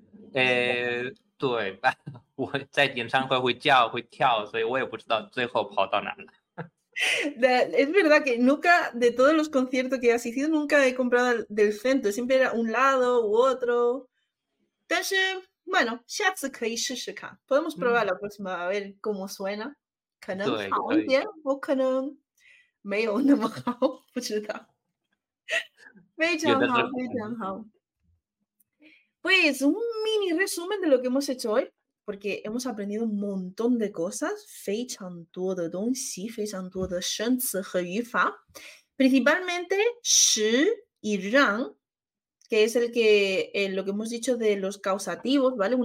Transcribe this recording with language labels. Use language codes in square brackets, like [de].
[zh] 对吧，我在演唱会会叫会跳，所以我也不知道最后跑到哪了。 [es] Es verdad que nunca de todos los conciertos que he asistido nunca he comprado del centro, siempre era un lado u otro. [zh] 但是 [es] bueno, [zh] 下次可以试试看， [es] podemos probar la próxima a ver cómo suena. [zh] 可能好一点，我可能没有那么好，不知道。非常好，非常好。 [es] Pues un mini resumen de lo que hemos hecho hoy, porque hemos aprendido un montón de cosas, [zh] 非常多的东西，非常多的生词和语法， [es] principalmente 时y rang, que es el que, lo que hemos dicho de los causativos, ¿vale?